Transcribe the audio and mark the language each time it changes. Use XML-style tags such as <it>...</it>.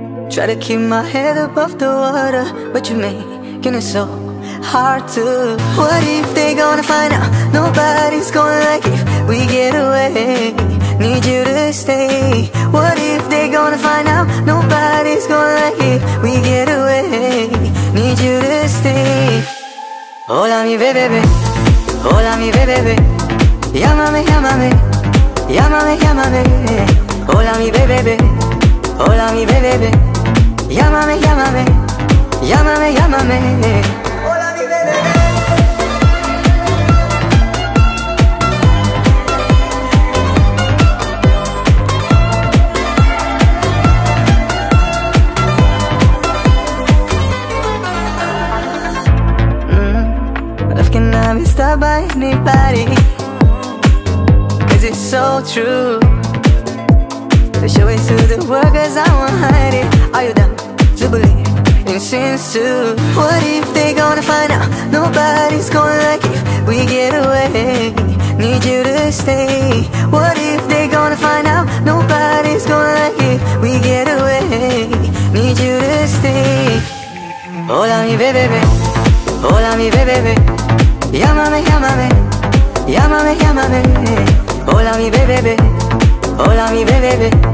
<en>Try to keep my head above the water, but you're making it so hard to. What if they gonna find out? Nobody's gonna like if we get away. Need you to stay. What if they gonna find out? Nobody's gonna like if we get away. Need you to stay.</en> <es>Hola mi bebé, hola mi bebé. Llámame, llámame, llámame, llámame. Hola mi bebé, hola mi bebé. Llámame, llámame, llámame, llámame. Hola mi bebé.</es> <en>Love cannot be stopped by anybody. Cause it's so true. Show it to the world cause I won't hide it. Are you down to believe in sins too? What if they gonna find out? Nobody's gonna like if we get away. Need you to stay. What if they gonna find out? Nobody's gonna like if we get away. Need you to stay.</en> <es>Hola mi bebé, hola mi bebé. Llámame, llámame, llámame, llámame. Hola mi bebé, hola mi bebé.</es>